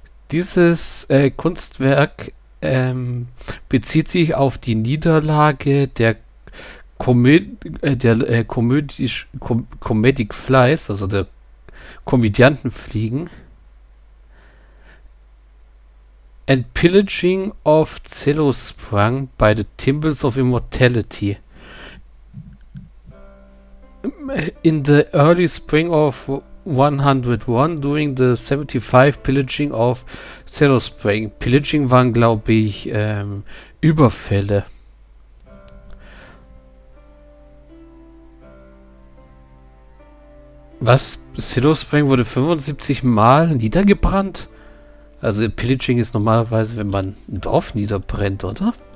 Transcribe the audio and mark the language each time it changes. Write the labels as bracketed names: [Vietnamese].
[German] Dieses Kunstwerk bezieht sich auf die Niederlage der Comedic Flies, also der Komödiantenfliegen. [English] And Pillaging of Zillowsprung by the Thimbles of Immortality. In the early spring of 101 during the 75 Pillaging of Cello Spring. [German] Pillaging waren, glaube ich, Überfälle. Was? Silo Spring wurde 75 Mal niedergebrannt? Also Pillaging ist normalerweise, wenn man ein Dorf niederbrennt, oder?